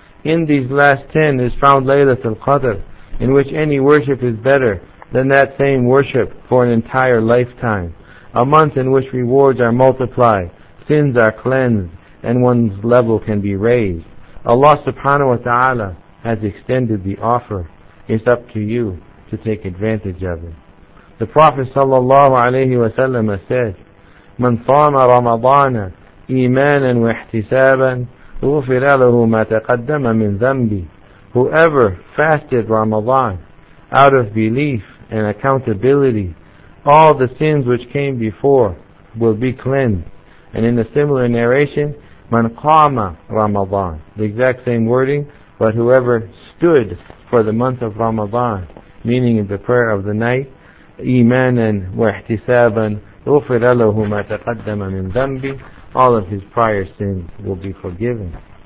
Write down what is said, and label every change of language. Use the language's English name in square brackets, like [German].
[English] In these last 10 is found Laylatul Qadr, in which any worship is better than that same worship for an entire lifetime, a month in which rewards are multiplied, sins are cleansed, and one's level can be raised. Allah subhanahu wa ta'ala has extended the offer. It's up to you to take advantage of it. The Prophet sallallahu alayhi wa sallam said, [Arabic] من صام رمضان إيمانا واحتسابا غفر له ما تقدم من ذنبي. [English] Whoever fasted Ramadan out of belief and accountability, all the sins which came before will be cleansed. And in a similar narration, [Arabic] من قام رمضان, [English] the exact same wording, but whoever stood for the month of Ramadan, meaning in the prayer of the night, [Arabic] إيمانا واحتسابا غفر له ما تقدم من ذنبي, [English] all of his prior sins will be forgiven.